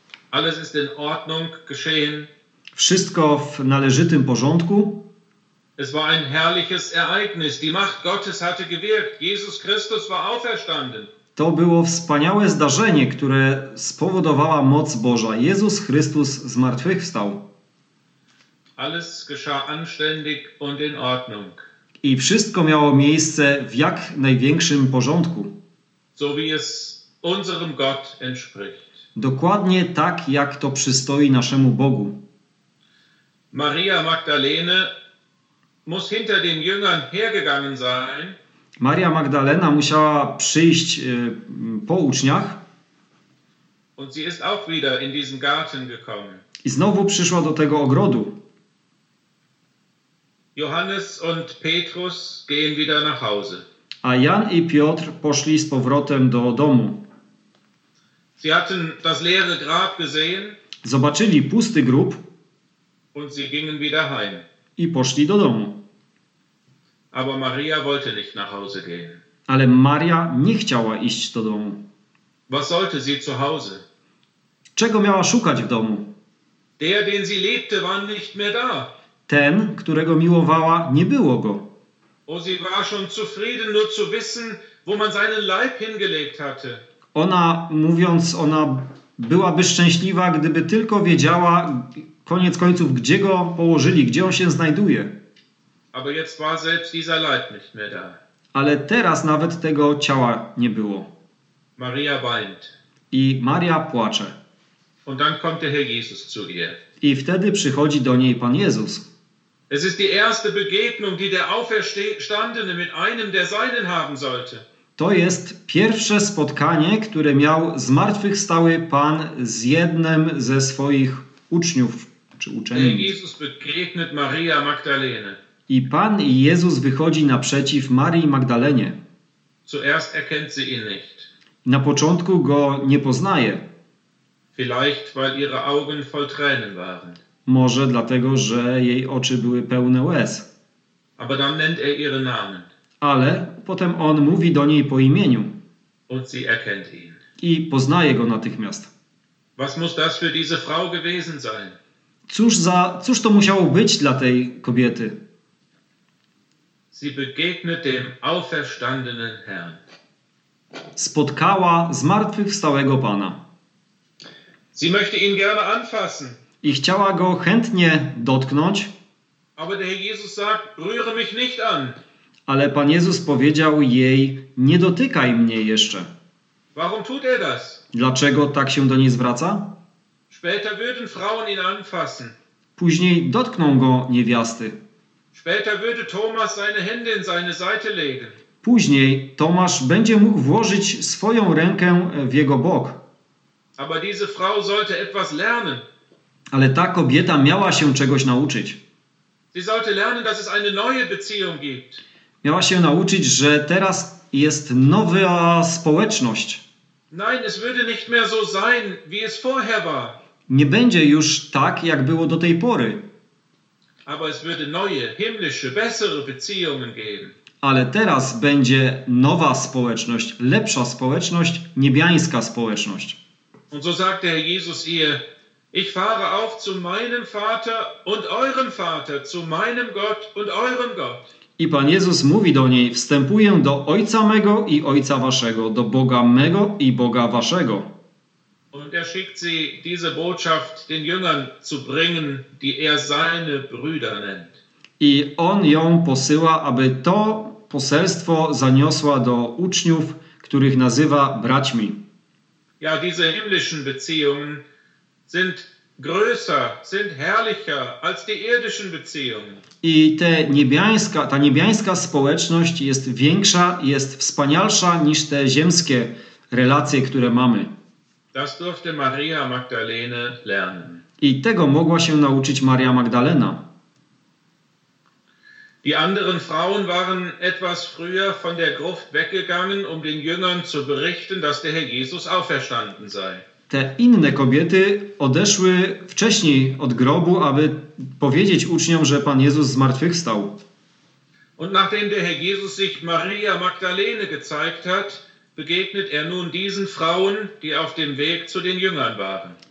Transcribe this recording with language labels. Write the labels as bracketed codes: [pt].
[de] Alles ist in Ordnung geschehen. [pl] Wszystko w należytym porządku. [de] Es war ein herrliches Ereignis. Die Macht Gottes hatte gewirkt. Jesus Christus war auferstanden. [pl] To było wspaniałe zdarzenie, które spowodowała moc Boża. Jezus Chrystus zmartwychwstał. [de] Alles geschah anständig und in Ordnung. [pl] I wszystko miało miejsce w jak największym porządku. [de] So wie es unserem Gott entspricht. [pl] Dokładnie tak, jak to przystoi naszemu Bogu. [de] Maria Magdalena muss hinter den Jüngern hergegangen sein. [pl] Maria Magdalena musiała przyjść po uczniach. [de] Und sie ist auch wieder in diesen Garten gekommen. [pl] I znowu przyszła do tego ogrodu. [de] Johannes und Petrus gehen wieder nach Hause. [pl] A Jan i Piotr poszli z powrotem do domu. [de] Sie hatten das leere Grab gesehen. [pl] Zobaczyli pusty grób. [de] Und sie gingen wieder heim. [pl] I poszli do domu. [de] Aber Maria wollte nicht nach Hause gehen. [pl] Ale Maria nie chciała iść do domu. [de] Was sollte sie zu Hause? [pl] Czego miała szukać w domu? [de] Der, den sie liebte, war nicht mehr da. [pl] Ten, którego miłowała, nie było go. [de] O, sie war schon zufrieden, nur zu wissen, wo man seinen Leib hingelegt hatte. [pl] Ona, mówiąc, ona byłaby szczęśliwa, gdyby tylko wiedziała, koniec końców, gdzie go położyli, gdzie on się znajduje. [de] Aber jetzt war selbst dieser Leib nicht mehr da. [pl] Ale teraz nawet tego ciała nie było. [de] Maria weint. [pl] I Maria płacze. [de] Und dann kommt der Herr Jesus zu ihr. [pl] I wtedy przychodzi do niej Pan Jezus. [de] Es ist die erste Begegnung, die der Auferstandene mit einem der Seinen haben sollte. [pl] To jest pierwsze spotkanie, które miał zmartwychwstały Pan z jednym ze swoich uczniów czy uczennic. [de] Herr Jesus begegnet Maria Magdalena. [pl] I Pan Jezus wychodzi naprzeciw Marii Magdalenie. [de] Zuerst erkennt sie ihn nicht. [pl] Na początku go nie poznaje. [de] Vielleicht weil ihre Augen voll Tränen waren. [pl] Może dlatego, że jej oczy były pełne łez. [de] Aber dann nennt er ihren Namen. [pl] Ale potem on mówi do niej po imieniu. [de] Und sie erkennt ihn. [pl] I poznaje go natychmiast. [de] Was muss das für diese Frau gewesen sein? [pl] Cóż to musiało być dla tej kobiety? [de] Sie begegnet dem auferstandenen Herrn. [pl] Spotkała zmartwychwstałego Pana. [de] Sie möchte ihn gerne anfassen. [pl] I chciała go chętnie dotknąć. [de] Aber der Jesus sagt, rühre mich nicht an. [pl] Ale Pan Jezus powiedział jej, nie dotykaj mnie jeszcze. [de] Warum tut er das? [pl] Dlaczego tak się do niej zwraca? [de] Später würden Frauen ihn anfassen. [pl] Później dotkną go niewiasty. [de] Später würde Thomas seine Hände in seine Seite legen. [pl] Później Tomasz będzie mógł włożyć swoją rękę w jego bok. [de] Aber diese Frau sollte etwas lernen. [pl] Ale ta kobieta miała się czegoś nauczyć. [de] Sie sollte lernen, dass es eine neue Beziehung gibt. [pl] Miała się nauczyć, że teraz jest nowa społeczność. [de] Nein, es würde nicht mehr so sein, wie es vorher war. [pl] Nie będzie już tak, jak było do tej pory. [de] Aber es würde neue, himmlische, bessere Beziehungen geben. [pl] Ale teraz będzie nowa społeczność, lepsza społeczność, niebiańska społeczność. [de] Und so sagt der Jesus ihr, ich fahre auf zu meinem Vater und eurem Vater, zu meinem Gott und eurem Gott. [pl] I Pan Jezus mówi do niej, wstępuję do Ojca mego i Ojca waszego, do Boga mego i Boga waszego. [de] Und er schickt sie diese Botschaft den Jüngern zu bringen, die er seine Brüder nennt. [pl] I on ją posyła, aby to poselstwo zaniosła do uczniów, których nazywa braćmi. [de] Ja, diese himmlischen Beziehungen sind größer, sind herrlicher als die irdischen Beziehungen. [pl] I ta niebiańska społeczność jest większa, jest wspanialsza niż te ziemskie relacje, które mamy. [de] Das durfte Maria Magdalena lernen. [pl] I tego mogła się nauczyć Maria Magdalena. [de] Die anderen Frauen waren etwas früher von der Gruft weggegangen, um den Jüngern zu berichten, dass der Herr Jesus auferstanden sei. [pl] Te inne kobiety odeszły wcześniej od grobu, aby powiedzieć uczniom, że Pan Jezus zmartwychwstał. [de] Und nachdem der Herr Jesus sich Maria Magdalene gezeigt hat, begegnet er nun diesen Frauen, die auf dem Weg zu den Jüngern waren.